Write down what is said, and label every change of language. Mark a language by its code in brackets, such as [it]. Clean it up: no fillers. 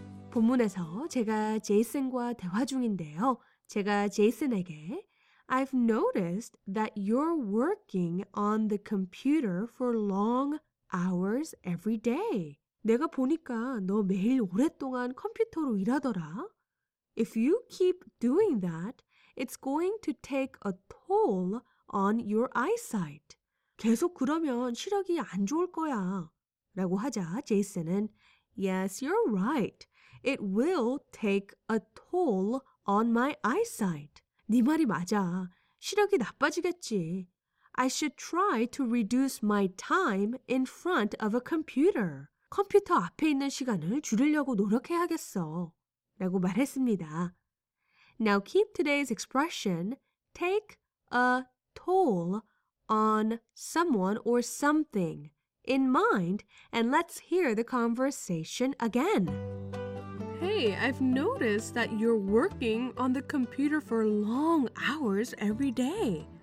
[ko] 본문에서 제가 제이슨과 대화 중인데요. 제가 제이슨에게 [en] I've noticed that you're working on the computer for long hours every day. [ko] 내가 보니까 너 매일 오랫동안 컴퓨터로 일하더라. [en] If you keep doing that, It's going to take a toll on your eyesight. [ko] 계속 그러면 시력이 안 좋을 거야. 라고 하자 제이슨은 [en] Yes, you're right. It will take a toll on my eyesight. [ko] 네 말이 맞아. 시력이 나빠지겠지. [en] I should try to reduce my time in front of a computer. [ko] 컴퓨터 앞에 있는 시간을 줄이려고 노력해야겠어. 라고 말했습니다. [en] Now keep today's expression, take a toll on someone or something in mind, and let's hear the conversation again. Hey, I've noticed that you're working on the computer for long hours every day.